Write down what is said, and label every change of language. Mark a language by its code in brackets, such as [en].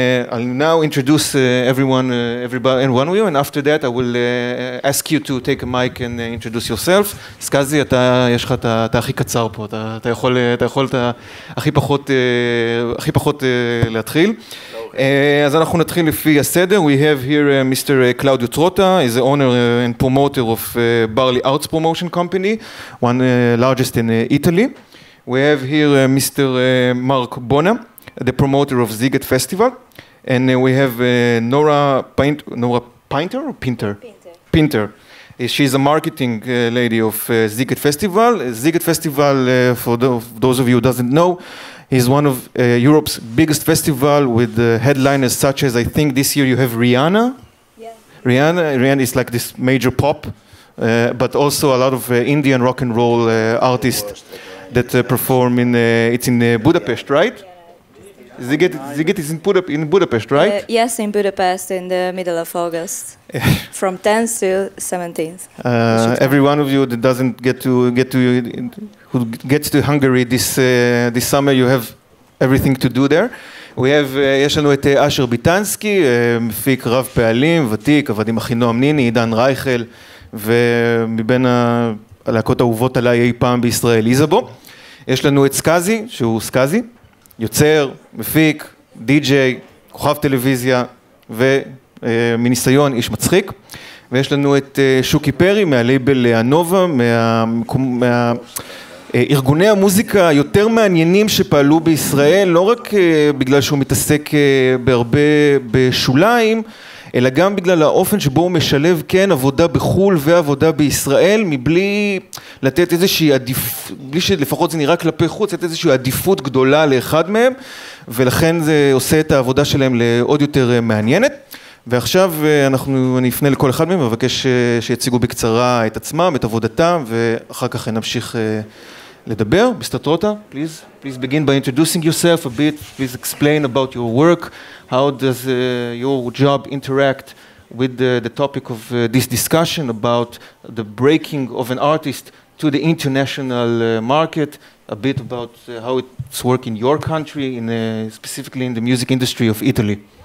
[en] I'll now introduce everyone, everybody, and one of you, and after that I will ask you to take a mic and introduce yourself. [he] סקזי, אתה, יש לך, אתה הכי קצר פה, אתה יכול, אתה יכול, אתה הכי פחות, הכי פחות להתחיל. אז אנחנו נתחיל לפי הסדר. [en] We have here Mr. Claudio Trotta, is the owner and promoter of Barley Arts Promotion Company, one largest in Italy. We have here Mr. Mark Bona, the promoter of Ziget Festival, and we have Nora Pinter. She's a marketing lady of Ziget Festival. Ziget Festival, for those of you who doesn't know, is one of Europe's biggest festival with headliners such as, I think this year you have Rihanna. Yeah. Rihanna is like this major pop, but also a lot of Indian rock and roll artists that perform in, it's in Budapest, right? Yeah. Ziget is in Budapest, right? Yes, in Budapest, in the middle of August, from 10th to 17th. Every one of you that doesn't get to Hungary this summer, you have everything to do there. We have, [he] יש לנו את אשר ביטנסקי, מפיק רב פעלים, ותיק, עבד עם אחינועם ניני, עידן רייכל, ומבין הלהקות האהובות עליי אי פעם בישראל, איזבו. יש לנו את סקזי, שהוא סקזי. יוצר, מפיק, די-ג'יי, כוכב טלוויזיה ומניסיון איש מצחיק. ויש לנו את שוקי פרי מהלייבל הנובה, מארגוני המוזיקה היותר מעניינים שפעלו בישראל, לא רק בגלל שהוא מתעסק בהרבה בשוליים, אלא גם בגלל האופן שבו הוא משלב כן עבודה בחול ועבודה בישראל, מבלי לתת איזושהי עדיפות, בלי שלפחות זה נראה כלפי חוץ, לתת איזושהי עדיפות גדולה לאחד מהם, ולכן זה עושה את העבודה שלהם לעוד יותר מעניינת. ועכשיו אני אפנה לכל אחד מהם, ובקש שיציגו בקצרה את עצמם, את עבודתם, ואחר כך נמשיך לדבר. [en] מיסטר טרוטה, please begin by introducing yourself a bit, please explain about your work, how does your job interact with the topic of this discussion about the breaking of an artist to the international market, a bit about how it's work in your country, in specifically in the music industry of Italy.